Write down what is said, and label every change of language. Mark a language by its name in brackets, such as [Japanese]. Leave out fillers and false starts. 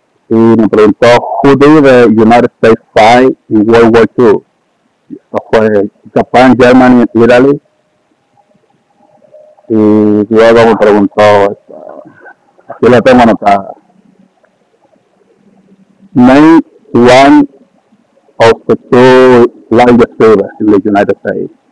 [Spanish] Y me preguntó, [English] who did the United States fight in World War II? [Spanish] Eso fue Japan, Germany, Italy. Y luego me preguntó, aquí lo tengo anotado. [English] Name one of the two largest rivers in the United States.